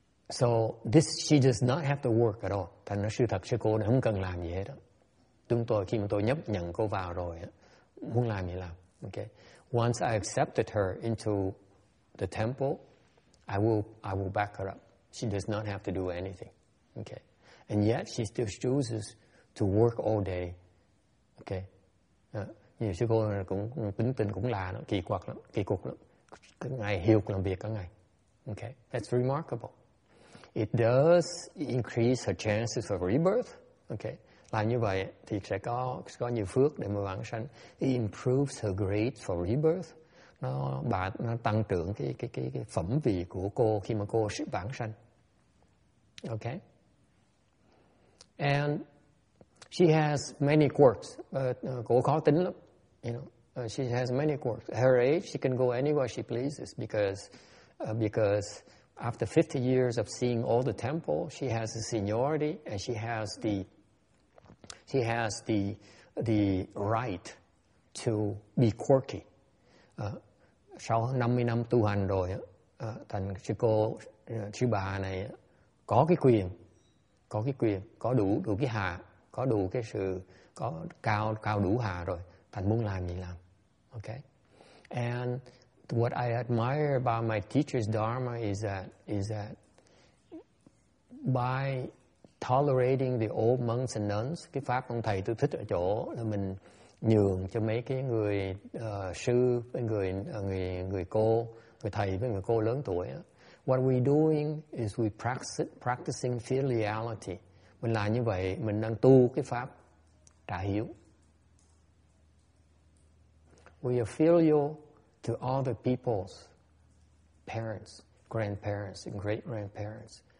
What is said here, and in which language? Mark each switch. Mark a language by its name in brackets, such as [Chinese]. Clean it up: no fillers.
[English] So, this she does not have to work at all. [Vietnamese] Thành nó sư thật sư cô này không cần làm gì hết. Chúng tôi, khi mà tôi nhấp nhận cô vào rồi, muốn làm gì làm. [English] Okay? Once I accepted her into the temple, I will back her up. She does not have to do anything. Okay? And yet, she still chooses to work all day. Okay? [Vietnamese] Nhiều sư cô này cũng tính tình cũng lạ lắm, kỳ quặc lắm, kỳ cục lắm. Cả ngày hiệu làm việc cả ngày. [English] Okay? That's remarkable. It does increase her chances of rebirth. Okay? [Vietnamese] Làm như vậy thì sẽ có nhiều phước để mà vãng sanh. [English] It improves her grade for rebirth. [Vietnamese] Nó tăng trưởng cái phẩm vị của cô khi mà cô sẽ vãng sanh. [English] Okay? And she has many quirks. [Vietnamese] Cô khó tính lắm. [English] You know, she has many quirks. Her age, she can go anywhere she pleases because after 50 years of seeing all the temple, she has the seniority and she has the right to be quirky. [Vietnamese] Sau 50 năm tu hành rồi, thành sư cô, sư bà này có cái quyền, có đủ cái hạ, có đủ cái sự có cao đủ hạ rồi, thành muốn làm gì làm. Okay? [English] And what I admire about my teacher's dharma is that by tolerating the old monks and nuns, [Vietnamese] cái pháp ông thầy tôi thích ở chỗ là mình nhường cho mấy cái người sư với người cô, người thầy với người cô lớn tuổi. [English] What we doing is we practicing filiality. [Vietnamese] Mình làm như vậy, mình đang tu cái pháp trả hiếu. [English] We are filial to all the people's parents, grandparents, and great-grandparents.